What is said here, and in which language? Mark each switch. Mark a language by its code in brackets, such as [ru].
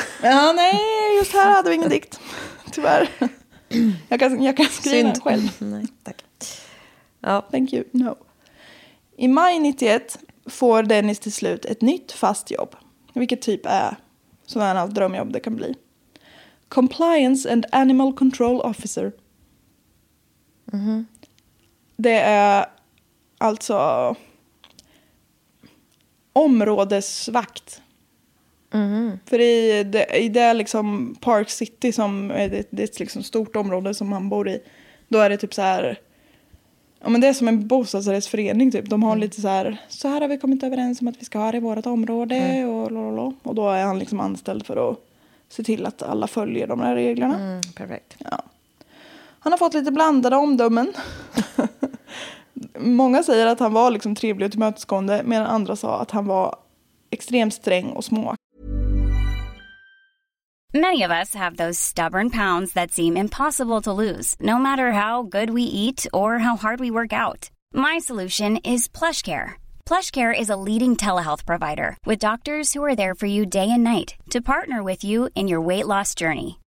[sv] Ja, nej, just här hade vi ingen dikt. Tyvärr. Jag kan skriva den själv. Nej, tack. [en] Thank you, no. [sv] I maj 91 får Dennis till slut ett nytt fast jobb. Vilket typ är sådana drömjobb det kan bli. [en] Compliance and Animal Control Officer. Mm-hmm. [sv] Det är alltså områdesvakt. Mm-hmm. För det är liksom Park City som är det är ett liksom stort område som han bor i. Då är det typ så här. Ja men det är som en bostadsrättsförening typ. De har lite så här har vi kommit överens om att vi ska ha det i vårt område och då är han liksom anställd för att se till att alla följer de här reglerna. Mm, perfekt. Ja. Han har fått lite blandade omdömen. Många säger att han var liksom trevlig och tillmötesgående, medan andra sa att han var extremt sträng och små. [en] Many of us have those stubborn pounds that seem impossible to lose, no matter how good we eat or how hard we work out. My solution is PlushCare. PlushCare is a leading telehealth provider with doctors who are there for you day and night to partner with you in your weight loss journey.